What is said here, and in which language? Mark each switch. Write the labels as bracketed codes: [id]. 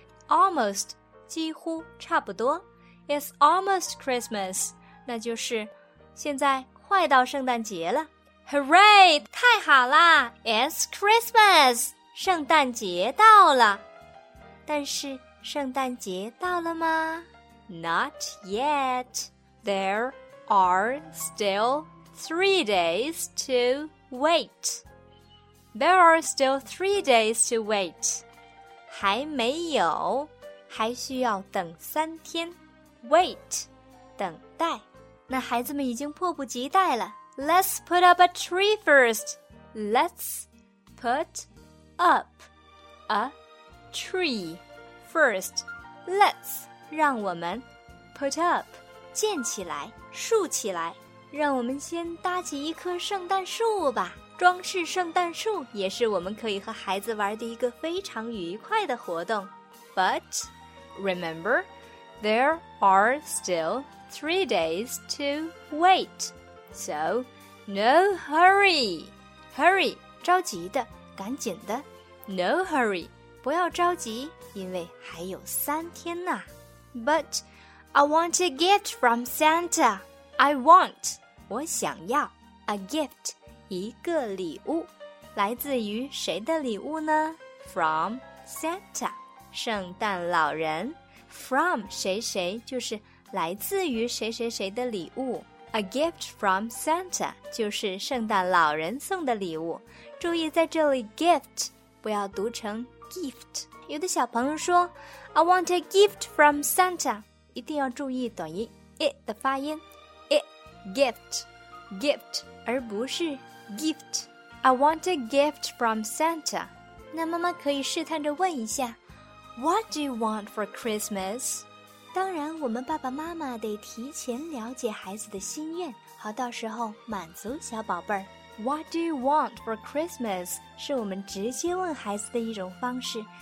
[zh] Almost， 几乎，差不多。 [en] It's almost Christmas， [zh] 那就是现在快到圣诞节了。 Hooray， 太好啦 ！ [en] It's Christmas， [zh] 圣诞节到了。但是圣诞节到了吗 ？ [en] Not yet. There are still 3 days to wait. There are still 3 days to wait. [zh] 还没有，还需要等三天。 Wait， 等待。那孩子们已经迫不及待了。 [en] Let's put up a tree first. Let's put up a tree first. [zh] Let's 让我们 [en] put up [zh] 建起来，竖起来。让我们先搭起一棵圣诞树吧。装饰圣诞树也是我们可以和孩子玩的一个非常愉快的活动。 [en] But remember, there are still 3 days to wait. So, no hurry. [zh] Hurry, 着急的，赶紧的。 [en] No hurry, [zh] 不要着急，因为还有三天呢。 [en] But I want a gift from Santa. I want, [zh] 我想要。 [en] A gift, [zh] 一个礼物。来自于谁的礼物呢？ [en] From Santa, [zh] 圣诞老人。 From 谁谁就是来自于谁谁谁的礼物。 [en] A gift from Santa [zh] 就是圣诞老人送的礼物。注意在这里 gift 不要读成 gift。有的小朋友说 [en] I want a gift from Santa， [zh] 一定要注意短音 it 的发音 it gift gift 而不是 gift。 [en] I want a gift from Santa。 [zh] 那妈妈可以试探着问一下 [en] What do you want for Christmas? [zh] 当然我们爸爸妈妈得提前了解孩子的心愿，好到时候满足小宝贝儿。 [en] What do you want for Christmas? [zh] 是我们直接问孩子的一种方式。